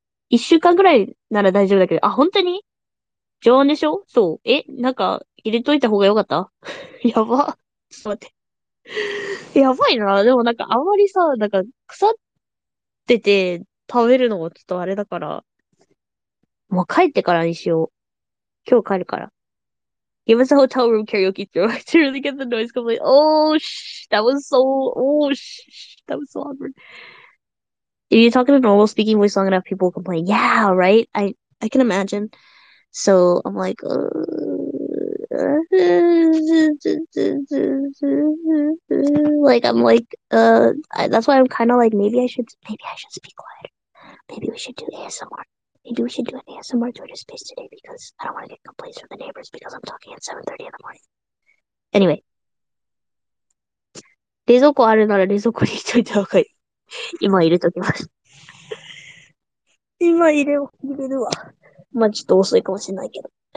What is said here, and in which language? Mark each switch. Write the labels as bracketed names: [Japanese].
[Japanese] 一週間ぐらいなら大丈夫だけど、あ、本当に？常温でしょ？そう。なんか、入れといた方がよかった？やば。ちょっと待って。やばいな。でもなんか、あんまりさ、なんか、腐ってて食べるのもちょっとあれだから、もう帰ってからにしよう。今日帰るから。 [English] Give us a hotel room karaoke throw to really get the noise complete. Oh shh, that was so awkward. If you talk in a normal speaking voice long enough, people will complain. Yeah, right? I can imagine. So I'm like, that's why I'm kind of like, maybe I should speak quieter. Maybe we should do ASMR. Maybe we should do an ASMR Twitter space today because I don't want to get complaints from the neighbors because I'm talking at 7:30 in the morning. Anyway. [Japanese] 冷蔵庫あるなら冷蔵庫に入れといた方がいい。今入れときます。今入れを入れるわ。まあ、ちょっと遅いかもしれないけど。